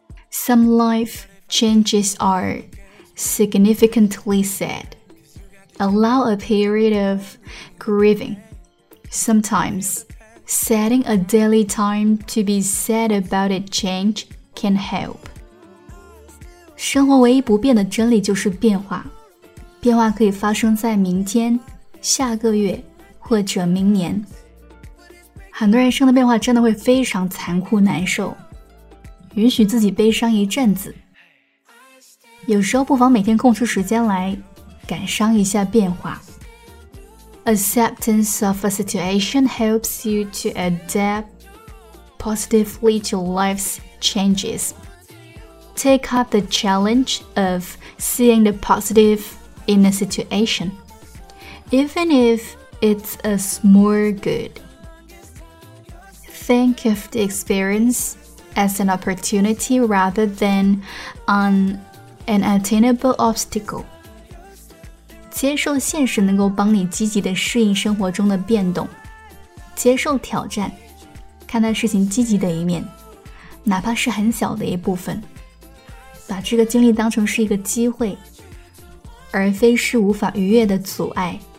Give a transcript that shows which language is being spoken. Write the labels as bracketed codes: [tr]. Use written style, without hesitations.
[en] Some life changes are significantly sad. Allow a period of grieving. Sometimes, setting a daily time to be sad about a change can help. [zh] 生活唯一不变的真理就是变化。变化可以发生在明天、下个月或者明年。很多人生的变化真的会非常残酷难受，允许自己悲伤一阵子。有时候不妨每天空出时间来感伤一下变化。 [en] Acceptance of a situation helps you to adapt positively to life's changes. Take up the challenge of seeing the positive in a situation, even if it's a small good. Think of the experience as an opportunity rather than an unattainable obstacle. [zh] 接受现实能够帮你积极地适应生活中的变动。接受挑战，看待事情积极的一面，哪怕是很小的一部分。把这个经历当成是一个机会，而非是无法逾越的阻碍。